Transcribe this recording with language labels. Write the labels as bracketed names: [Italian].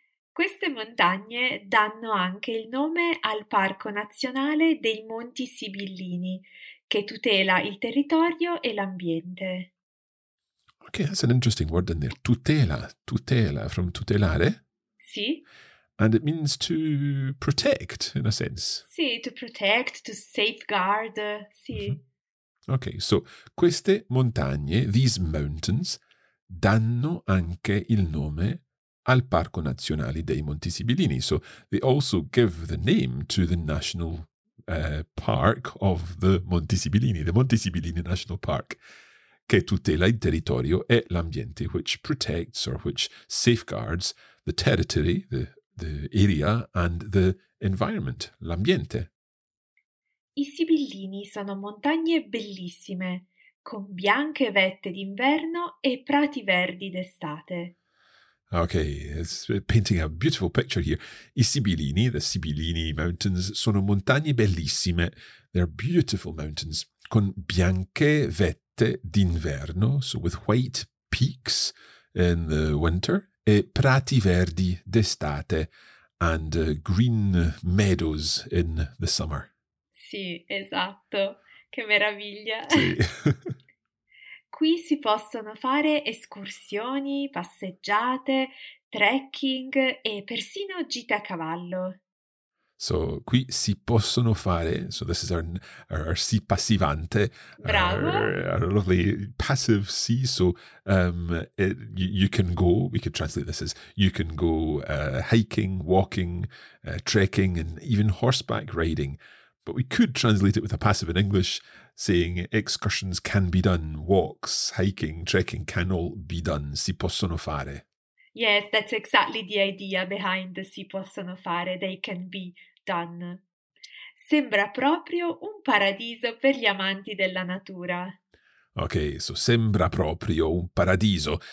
[Italian] Queste montagne danno anche il nome al Parco Nazionale dei Monti Sibillini, che tutela il territorio e l'ambiente. [English] Okay, that's an interesting word in there. [Italian] Tutela, tutela, from tutelare? Sì. [English] And it means to protect, in a sense. Sì, to protect, to safeguard, sì. Mm-hmm. Okay, so [Italian] queste montagne, [English] these mountains, [Italian] danno anche il nome al Parco Nazionale dei Monti Sibillini. [English] So they also give the name to the National Park of the Monti Sibillini, the Monti Sibillini National Park, [Italian] che tutela il territorio e l'ambiente, [English] which protects or which safeguards the territory, the area, and the environment, l'ambiente. [Italian] I Sibillini sono montagne bellissime, con bianche vette d'inverno e prati verdi d'estate. [English] Okay, it's painting a beautiful picture here. [Italian] I Sibillini, [English] the Sibillini Mountains, [Italian] sono montagne bellissime. [English] They're beautiful mountains [Italian] con bianche vette d'inverno, [English] so with white peaks in the winter, [Italian] e prati verdi d'estate, [English] and green meadows in the summer. [Italian] Sì, esatto. Che meraviglia. Sì. Qui si possono fare escursioni, passeggiate, trekking e persino gite a cavallo. [English] So, [Italian] qui si possono fare, [English] so this is our si passivante. [Italian] Bravo! [English] Our lovely passive si, so you can go, we could translate this as, you can go hiking, walking, trekking and even horseback riding. But we could translate it with a passive in English, saying excursions can be done, walks, hiking, trekking can all be done, [Italian] si possono fare. [English] Yes, that's exactly the idea behind the [Italian] si possono fare, [English] they can be done. [Italian] Sembra proprio un paradiso per gli amanti della natura. [English] Okay, so [Italian] sembra proprio un paradiso.